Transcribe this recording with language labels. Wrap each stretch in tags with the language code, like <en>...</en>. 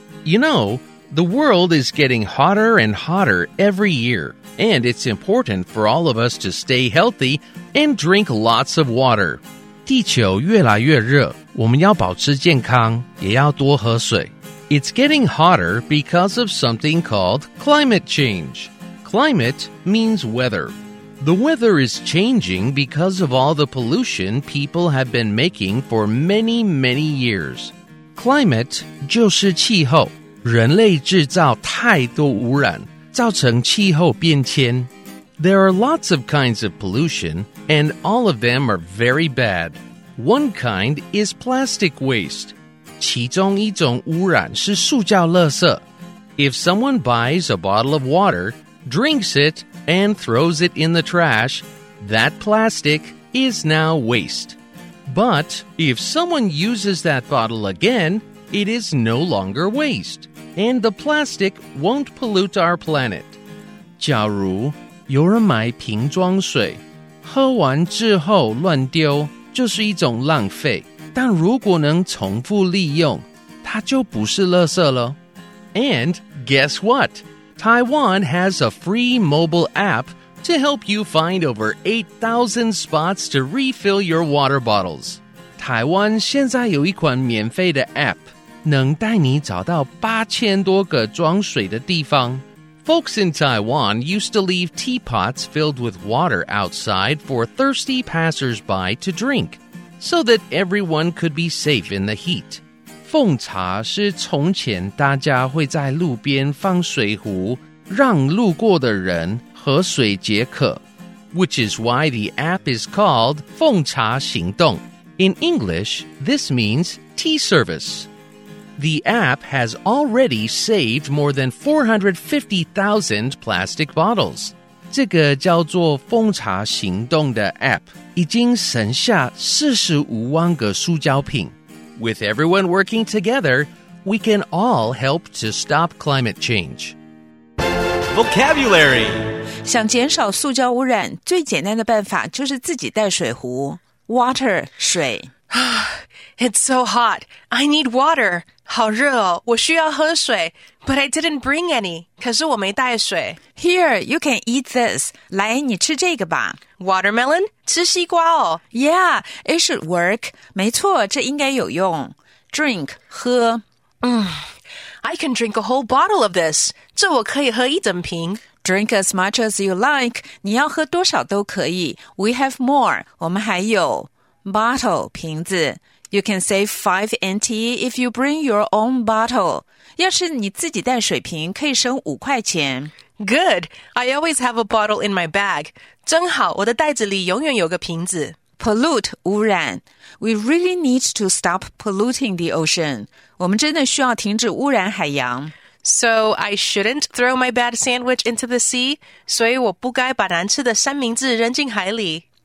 <en>You know, the world is getting hotter and hotter every year, and it's important for all of us to stay healthy and drink lots of water.</en> <zh>地球越来越热，我们要保持健康，也要多喝水。</zh> <en>It's getting hotter because of something called climate change. Climate means weather. The weather is changing because of all the pollution people have been making for many, many years.</en> <zh>Climate 就是气候。人类制造太多污染，造成气候变迁。</zh> <en>There are lots of kinds of pollution, and all of them are very bad. One kind is plastic waste.</en> <zh>其中一种污染是塑胶垃圾。</zh> <en>If someone buys a bottle of water, drinks it, and throws it in the trash, that plastic is now waste. But if someone uses that bottle again,It is no longer waste, and the plastic won't pollute our planet.</en> <zh>假如有人买瓶装水，喝完之后乱丢，就是一种浪费。但如果能重复利用，它就不是垃圾了。</zh> <en>And guess what? Taiwan has a free mobile app to help you find over 8,000 spots to refill your water bottles.</en> <zh>台湾现在有一款免费的 app。能带你找到八千多个装水的地方。</zh> <en>Folks in Taiwan used to leave teapots filled with water outside for thirsty passers-by to drink, so that everyone could be safe in the heat.</en> <zh>奉茶是从前大家会在路边放水壶，让路过的人喝水解渴。</zh> <en>Which is why the app is called 奉茶行动。 In English, this means tea service. The app has already saved more than 450,000 plastic bottles.</en> <zh>这个叫做奉茶行动的 app 已经省下450,000个塑胶瓶。</zh> <en>With everyone working together, we can all help to stop climate change. Vocabulary.</en> <zh>想减少塑胶污染，最简单的办法就是自己带水壶。</zh> <en>Water,</en> <zh>水。</zh> <en>It's so hot. I need water.</en> <zh>好热哦，我需要喝水。</zh> <en>But I didn't bring any.</en> <zh>可是我没带水。</zh> <en>Here, you can eat this.</en> <zh>来，你吃这个吧。</zh> <en>Watermelon?</en> <zh>吃西瓜哦。</zh> <en>Yeah, it should work.</en> <zh>没错，这应该有用。</zh> <en>Drink,</en> <zh>喝。</zh> <en>I can drink a whole bottle of this.</en> <zh>这我可以喝一整瓶。</zh> <en>Drink as much as you like.</en> <zh>你要喝多少都可以。</zh> <en>We have more.</en> <zh>我们还有。</zh> <en>Bottle,</en> <zh>瓶子。</zh> <en>You can save 5 NT if you bring your own bottle.</en> <zh>要是你自己带水瓶可以省5块钱。</zh> <en>Good! I always have a bottle in my bag.</en> <zh>真好,我的袋子里永远有个瓶子。</zh> <en>Pollute,</en> <zh>污染。</zh> <en>We really need to stop polluting the ocean.</en> <zh>我们真的需要停止污染海洋。</zh> <en>So I shouldn't throw my bad sandwich into the sea?</en> <zh>所以我不该把难吃的三明治扔进海里。</zh>